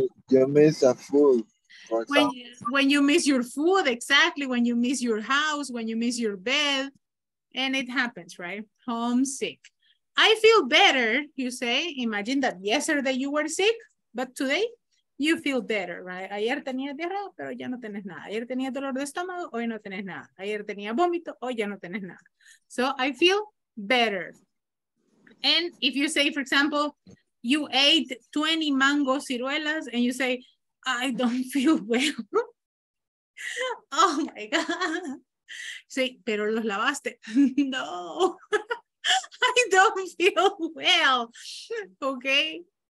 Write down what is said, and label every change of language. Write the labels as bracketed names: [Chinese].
[English] Yo miss a food. When you miss your food, exactly, when you miss your house, when you miss your bed, and it happens, right? Homesick. I feel better, you say. Imagine that yesterday you were sick, but today you feel better, right? [Spanish] Ayer tenía diarrea, pero ya no tenés nada. Ayer tenía dolor de estómago, hoy no tenés nada. Ayer tenía vómito, hoy ya no tenés nada. [English] So I feel better. And if you say, for example, you ate 20 mango ciruelas, and you say, I don't feel well. Oh my God. [Spanish] Sí, pero los lavaste. [English] No. I don't feel well. Okay.